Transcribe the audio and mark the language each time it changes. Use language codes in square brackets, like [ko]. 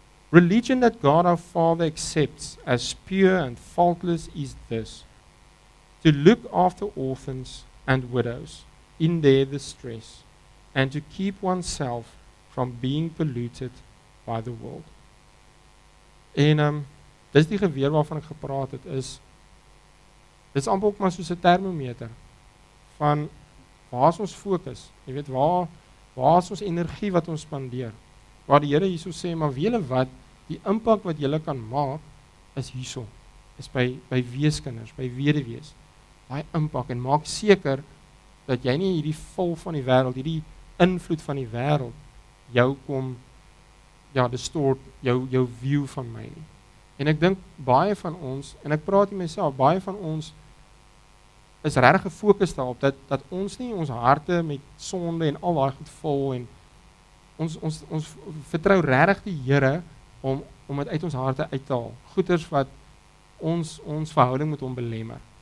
[en] Religion that God our Father accepts as pure and faultless is this, to look after orphans and widows in their distress and to keep oneself from being polluted by the world. [af] En dis die geweer waarvan ek gepraat het, is dis amper ook maar soos 'n termometer van waar is ons fokus, jy weet waar is ons energie wat ons spandeer, waar die Here hierso sê, maar weet jy wat, die impak wat jylle kan maak, is hierso, is by weeskinders, by weduwees, daai impak, en maak seker, dat jy nie hierdie vol van die wêreld, hierdie invloed van die wêreld, jou kom, ja, distort, jou view van my nie, en ek dink, baie van ons, en ek praat hier myself, baie van ons, is regtig gefokus daarop, dat ons nie ons harte met sonde, en al daai goed vol, en ons vertrou regtig die Here, om het uit ons harte uit te haal. Goeders wat ons verhouding met hom belemmer.